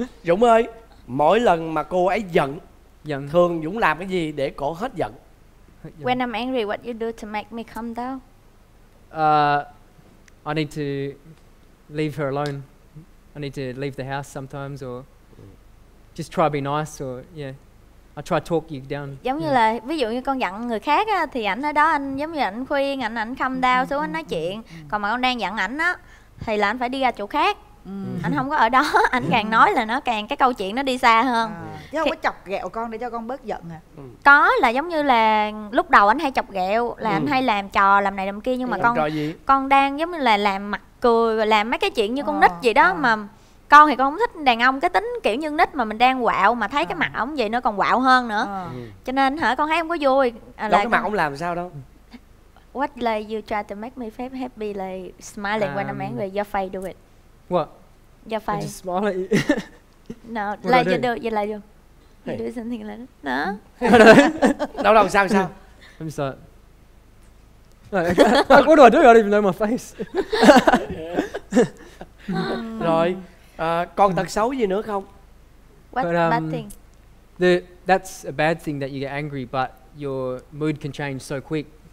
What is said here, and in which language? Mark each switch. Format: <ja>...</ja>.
<vi>Dũng ơi, mỗi lần mà cô ấy giận, giận, thường Dũng làm cái gì để cô hết giận?</vi> <en>When I'm angry, what you do to make me calm down? I need to leave her alone. I need to leave the house sometimes or just try be nice or yeah, I try talk you down.</en> <vi>Giống như là ví dụ như con giận người khác á, thì ảnh ở đó anh giống như ảnh khuyên, ảnh</vi> <en>calm down</en> <vi>xuống, ảnh nói chuyện. Còn mà con đang giận ảnh á thì là ảnh phải đi ra chỗ khác. Ảnh không có ở đó, ảnh càng nói là nó càng cái câu chuyện nó đi xa hơn. Chứ không có chọc ghẹo con để cho con bớt giận à? Có, là giống như là lúc đầu ảnh hay chọc ghẹo là ảnh hay làm trò làm này làm kia, nhưng mà con đang giống như là làm mặt cười và làm mấy cái chuyện như con nít vậy đó. Mà con thì con không thích đàn ông cái tính kiểu như nít, mà mình đang quạo mà thấy cái mặt ổng vậy nó còn quạo hơn nữa. Cho nên hả, con thấy không có vui. Cái mặt ổng làm sao đâu.</vi> <en>What like you try to make me happy, like smiling when I'm angry, your face do it. What? Your face. Just smile at you. No, what like you do, you like you. You do something like that. No.</en> <vi>Đâu đâu sao sao?</vi> <en>I'm sorry. Like, what do I do? I don't even know my face.</en> <vi>Rồi, còn tật xấu gì nữa không?</vi> <en>What bad thing? That's a bad thing that you get angry, but your mood can change so quick.</en>